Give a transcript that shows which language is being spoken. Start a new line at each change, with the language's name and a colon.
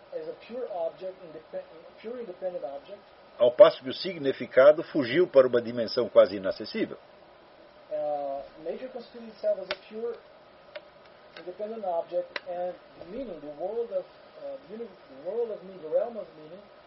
English: As a pure object, pure independent object.
Portuguese: Ao passo que o significado fugiu para uma dimensão quase inacessível.
English: Nature constituted itself as a pure independent object and meaning, the world of meaning, the realm of meaning,